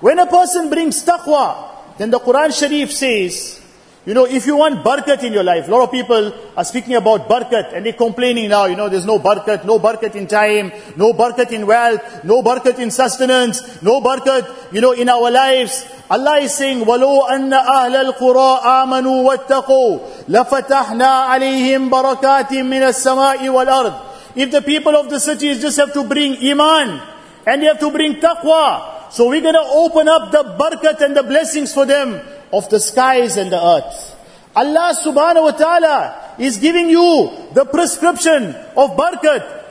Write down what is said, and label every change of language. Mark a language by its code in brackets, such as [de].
[en] When a person brings taqwa, then the Quran Sharif says, you know, if you want barakat in your life, a lot of people are speaking about barakat and they're complaining now, you know, there's no barakat, no barakat in time, no barakat in wealth, no barakat in sustenance, no barakat, you know, in our lives. Allah is saying, [ar] وَلَوْ أَنَّ أَهْلَ الْقُرَىٰ آمَنُوا وَاتَّقُوا لَفَتَحْنَا عَلَيْهِمْ بَرَكَاتٍ مِنَ السَّمَاءِ وَالْأَرْضِ. [en] If the people of the cities just have to bring iman and they have to bring taqwa, so we're going to open up the barakat and the blessings for them of the skies and the earth. Allah subhanahu wa ta'ala is giving you the prescription of barakat.